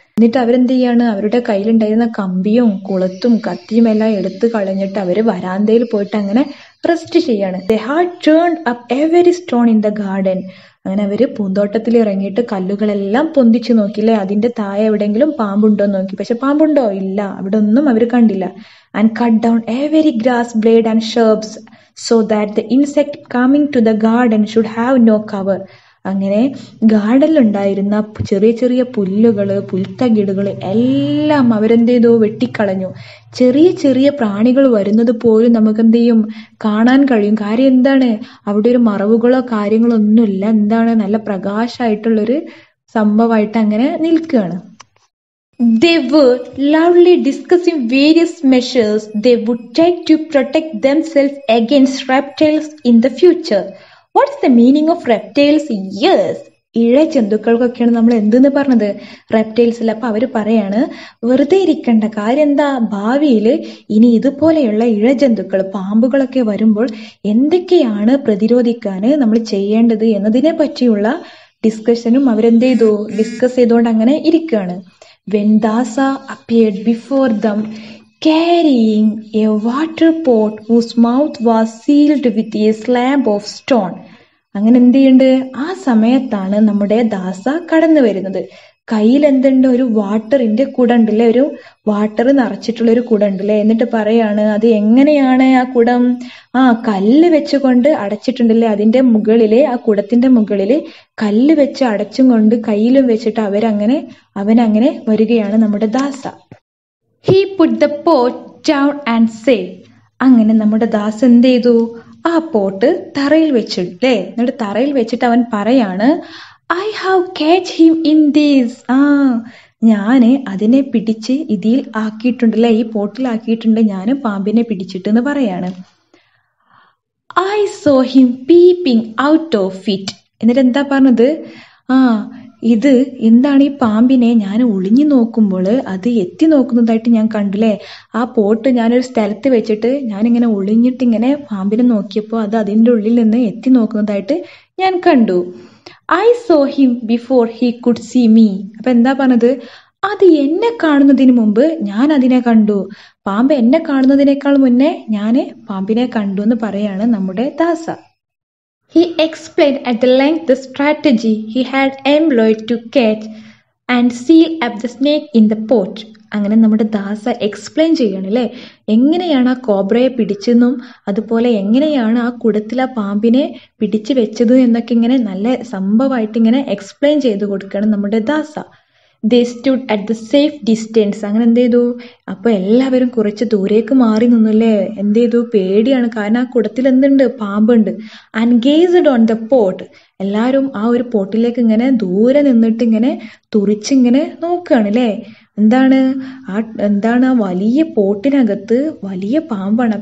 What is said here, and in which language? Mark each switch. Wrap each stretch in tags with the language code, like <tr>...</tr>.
<ml>എന്നിട്ട് അവരെന്ത് ചെയ്യാണ്, അവരുടെ കയ്യിലുണ്ടായിരുന്ന കമ്പിയും കുളത്തും കത്തിയും എല്ലാം എടുത്തു കളഞ്ഞിട്ട് അവര് വരാന്തയിൽ പോയിട്ട് അങ്ങനെ റെസ്റ്റ് ചെയ്യാണ്.</ml> <en>They had turned up every stone in the garden.</en> <ml>അങ്ങനെ അവര് പൂന്തോട്ടത്തിൽ ഇറങ്ങിയിട്ട് കല്ലുകളെല്ലാം പൊന്തിച്ചു നോക്കില്ലേ, അതിന്റെ താഴെ എവിടെയെങ്കിലും പാമ്പുണ്ടോ നോക്കി. പക്ഷെ പാമ്പുണ്ടോ, ഇല്ല, അവിടെ ഒന്നും അവർ കണ്ടില്ല.</ml> <en>And cut down every grass blade and shrubs so that the insect coming to the garden should have no cover.</en> <ml>അങ്ങനെ ഗാർഡനിൽ ഉണ്ടായിരുന്ന ചെറിയ ചെറിയ പുല്ലുകൾ പുൽത്തകിടുകൾ എല്ലാം അവരെന്തേതോ വെട്ടിക്കളഞ്ഞു. ചെറിയ ചെറിയ പ്രാണികൾ വരുന്നത് പോലും നമുക്ക് എന്ത് ചെയ്യും, കാണാൻ കഴിയും. കാര്യം എന്താണ്, അവിടെ ഒരു മറവുകളോ കാര്യങ്ങളോ ഒന്നുമില്ല, എന്താണ് നല്ല പ്രകാശമായിട്ടുള്ളൊരു സംഭവമായിട്ട് അങ്ങനെ നിൽക്കുകയാണ്.</ml> <en>They were loudly discussing various measures they would take to protect themselves against reptiles in the future. What's the meaning of reptiles? Yes.</en> <ml>ഇഴ ജന്തുക്കൾക്കൊക്കെയാണ് നമ്മൾ എന്തെന്ന് പറഞ്ഞത്, റെപ്റ്റൈൽസിൽ. അപ്പൊ അവര് പറയാണ്, വെറുതെ ഇരിക്കേണ്ട, കാര്യം എന്താ, ഭാവിയിൽ ഇനി ഇതുപോലെയുള്ള ഇഴ ജന്തുക്കൾ പാമ്പുകളൊക്കെ വരുമ്പോൾ എന്തൊക്കെയാണ് പ്രതിരോധിക്കാൻ നമ്മൾ ചെയ്യേണ്ടത് എന്നതിനെ പറ്റിയുള്ള ഡിസ്കഷനും അവരെന്ത് ചെയ്തു, ഡിസ്കസ് ചെയ്തുകൊണ്ട് അങ്ങനെ ഇരിക്കുകയാണ്.</ml> <en>When Dasa appeared before them, carrying a water pot whose mouth was sealed with a slab of stone.</en> <ml>അങ്ങനെ എന്ത് ചെയ്യുന്നുണ്ട്, ആ സമയത്താണ് നമ്മുടെ ദാസ കടന്നു വരുന്നത്. കയ്യിൽ എന്തുണ്ട്, ഒരു വാട്ടറിന്റെ കുടണ്ടല്ലേ, ഒരു വാട്ടർ നിറച്ചിട്ടുള്ള ഒരു കുടണ്ടല്ലേ. എന്നിട്ട് പറയാണ്, അത് എങ്ങനെയാണ് ആ കുടം, കല്ല് വെച്ചുകൊണ്ട് അടച്ചിട്ടുണ്ടല്ലേ, അതിന്റെ മുകളില് ആ കുടത്തിന്റെ മുകളില് കല്ല് വെച്ച് അടച്ചും കൊണ്ട് കയ്യിലും വെച്ചിട്ട് അവനങ്ങനെ വരികയാണ് നമ്മുടെ ദാസ.</ml> <en>He put the pot down and say.</en> <ml>അങ്ങനെ നമ്മുടെ ദാസ് എന്ത് ചെയ്തു, ആ പോട്ട് തറയിൽ വെച്ചിട്ടല്ലേ. എന്നിട്ട് തറയിൽ വെച്ചിട്ട് അവൻ പറയാണ്,</ml> <en>I have caught him in this.</en> <ml>ഞാന് അതിനെ പിടിച്ച് ഇതിൽ ആക്കിയിട്ടുണ്ടല്ലേ, ഈ പോട്ടിൽ ആക്കിയിട്ടുണ്ട്, ഞാനും പാമ്പിനെ പിടിച്ചിട്ട് എന്ന് പറയാണ്.</ml> <en>I saw him peeping out of it.</en> <ml>എന്നിട്ട് എന്താ പറഞ്ഞത്? ആ ഇത് എന്താണ് ഈ പാമ്പിനെ ഞാൻ ഒളിഞ്ഞു നോക്കുമ്പോൾ അത് എത്തി നോക്കുന്നതായിട്ട് ഞാൻ കണ്ടില്ലേ, ആ പോട്ട് ഞാനൊരു സ്ഥലത്ത് വെച്ചിട്ട് ഞാനിങ്ങനെ ഒളിഞ്ഞിട്ട് ഇങ്ങനെ പാമ്പിനെ നോക്കിയപ്പോൾ അത് അതിൻ്റെ ഉള്ളിൽ നിന്ന് എത്തി നോക്കുന്നതായിട്ട് ഞാൻ കണ്ടു.</ml> <en>I saw him before he could see me.</en> <ml>അപ്പം എന്താ പറഞ്ഞത്? അത് എന്നെ കാണുന്നതിന് മുമ്പ് ഞാൻ അതിനെ കണ്ടു, പാമ്പ് എന്നെ കാണുന്നതിനേക്കാൾ മുന്നേ ഞാൻ പാമ്പിനെ കണ്ടു എന്ന് പറയുകയാണ് നമ്മുടെ ദാസ.</ml> <en>He explained at length the strategy he had employed to catch and seal up the snake in the pot.</en> <ml>അങ്ങനെ നമ്മുടെ ദാസ എക്സ്പ്ലെയിൻ ചെയ്യുകയാണ് അല്ലേ, എങ്ങനെയാണ് ആ കോബ്രയെ പിടിച്ചെന്നും അതുപോലെ എങ്ങനെയാണ് ആ കുടത്തിലെ പാമ്പിനെ പിടിച്ചു വെച്ചത് എന്നൊക്കെ ഇങ്ങനെ നല്ല സംഭവമായിട്ട് ഇങ്ങനെ എക്സ്പ്ലെയിൻ ചെയ്ത് കൊടുക്കുകയാണ് നമ്മുടെ ദാസ.</ml> <en>They stood at the safe distance.</en> <ml>അങ്ങനെ എന്ത് ചെയ്തു? അപ്പൊ എല്ലാവരും കുറച്ച് ദൂരേക്ക് മാറി നിന്നല്ലേ, എന്ത് ചെയ്തു? പേടിയാണ്, കാരണം ആ കുടത്തിൽ എന്തുണ്ട്? പാമ്പുണ്ട്.</ml> <en>And gazed on the pot.</en> <ml>എല്ലാവരും ആ ഒരു പോട്ടിലേക്ക് ഇങ്ങനെ ദൂരെ നിന്നിട്ട് ഇങ്ങനെ തുറിച്ചിങ്ങനെ നോക്കുകയാണ് അല്ലേ, എന്താണ് ആ, എന്താണ് ആ വലിയ പോട്ടിനകത്ത് വലിയ പാമ്പാണ്.</ml>